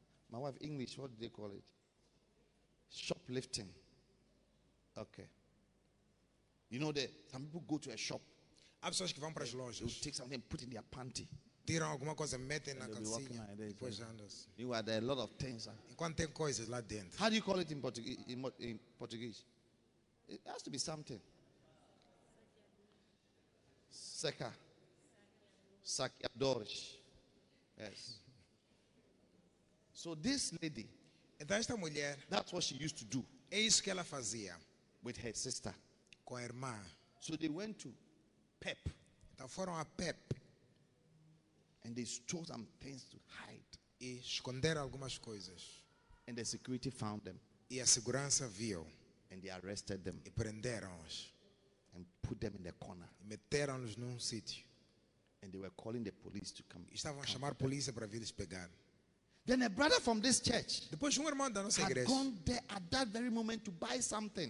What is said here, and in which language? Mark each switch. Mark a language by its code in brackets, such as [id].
[en] My wife, English, what do they call it? Shoplifting. Okay. You know that some people go to a shop. [pt] Há pessoas que vão para as lojas. [en] They take something and put in their panty. [pt] Tiram alguma coisa, metem na calcinha, depois andam-se. [en] You are there, a lot of things. [pt] Enquanto tem coisas lá dentro. [en] How do you call it in Portuguese? It has to be something. [pt] Seca. Saqueadores. [en] Yes. So this lady. [pt] Então esta mulher. [en] That's what she used to do. [pt] É isso que ela fazia. [en] With her sister. [pt] Com a irmã. [en] So they went to Pep. [pt] Então foram a Pep. [en] And they stole some things to hide. [pt] E esconderam algumas coisas. [en] And the security found them. [pt] E a segurança viu. [en] And they arrested them. [pt] E prenderam-os. [en] And put them in the corner. [pt] E meteram-nos num sítio. [en] And they were calling the police to come. [pt] E estavam a chamar a polícia para vir lhes pegar. [en] Then a brother from this church. [pt] Depois um irmão da nossa igreja. [en] Had gone there at that very moment to buy something.